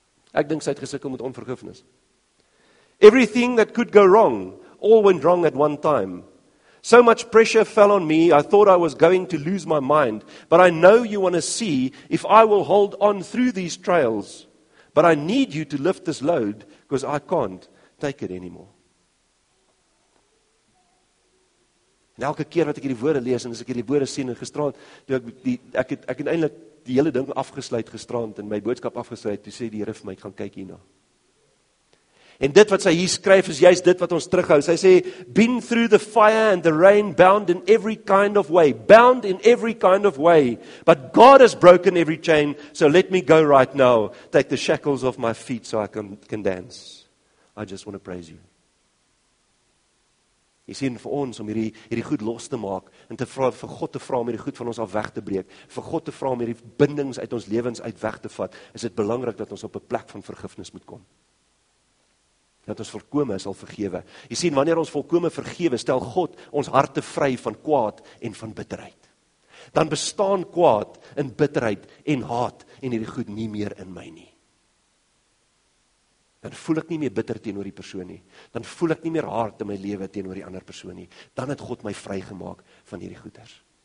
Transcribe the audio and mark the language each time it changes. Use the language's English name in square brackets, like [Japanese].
[Afrikaans] Ek dink sy het gesukkel met onvergifnis. [English] Everything that could go wrong, all went wrong at one time. So much pressure fell on me, I thought I was going to lose my mind. But I know you want to see if I will hold on through these trials. But I need you to lift this load, because I can't take it anymore. [Afrikaans] En elke keer wat ek hierdie woorde lees, en as ek hierdie woorde sien, en gisteraand, ek het eintlik die hele ding afgesluit gisteraand, en my boodskap afgesluit, toe sê die Here vir my, ek gaan kyk hierna. En dit wat sy hier skryf, is juist dit wat ons terughou. Sy sê, [English] been through the fire and the rain, bound in every kind of way. Bound in every kind of way. But God has broken every chain, so let me go right now. Take the shackles off my feet so I can dance. I just want to praise you. [Afrikaans] Jy sien, vir ons om hierdie goed los te maak, en te vra, vir God te vra om hierdie goed van ons af weg te breek, vir God te vra om hierdie bindings uit ons levens uit weg te vat, is dit belangrik dat ons op 'n plek van vergifnis moet kom. Dat ons volkome sal vergewe. Jy sien, wanneer ons volkome vergewe, stel God ons harte vry van kwaad en van bitterheid. Dan bestaan kwaad en bitterheid en haat en hierdie goed nie meer in my nie. Dan voel ek nie meer bitter teenoor die persoon nie. Dan voel ek nie meer haat in my lewe teenoor die ander persoon nie. Dan het God my vrygemaak van hierdie goeders.